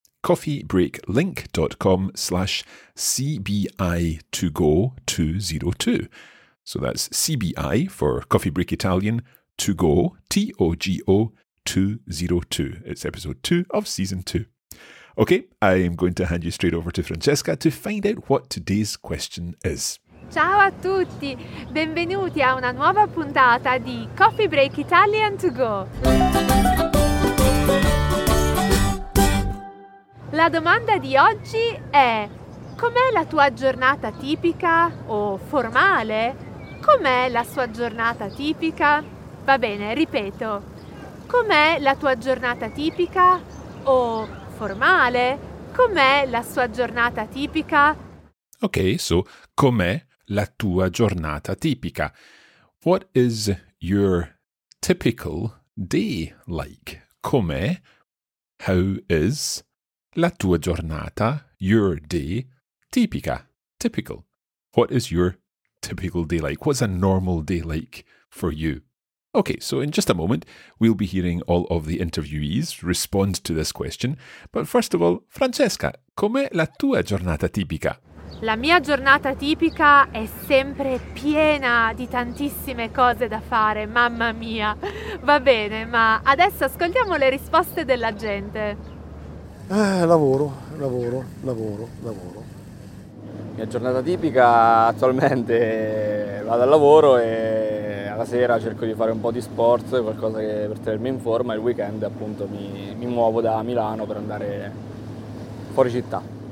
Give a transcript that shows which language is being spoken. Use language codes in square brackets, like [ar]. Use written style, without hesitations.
[en] coffeebreaklink.com/CBI2Go202. So that's CBI for Coffee Break Italian, To Go, T-O-G-O, 202. It's episode 2 of season 2. Okay, I am going to hand you straight over to Francesca to find out what today's question is. [it] Ciao a tutti! Benvenuti a una nuova puntata di Coffee Break Italian To Go! La domanda di oggi è: com'è la tua giornata tipica o formale? Com'è la sua giornata tipica? Va bene, ripeto. Com'è la tua giornata tipica o formale? Com'è la sua giornata tipica? Ok, so com'è la tua giornata tipica? [en] What is your typical day like? Com'è? How is [it] la tua giornata, [en] your day, tipica? Typical. What is your typical day like? What's a normal day like for you? Okay, so in just a moment, we'll be hearing all of the interviewees respond to this question. But first of all, Francesca, [it] com'è la tua giornata tipica? La mia giornata tipica è sempre piena di tantissime cose da fare, mamma mia. Va bene, ma adesso ascoltiamo le risposte della gente. Lavoro. La mia giornata tipica attualmente vado al lavoro e la sera cerco di fare un po' di sport, qualcosa che per tenermi in forma, e il weekend appunto mi muovo da Milano per andare fuori città.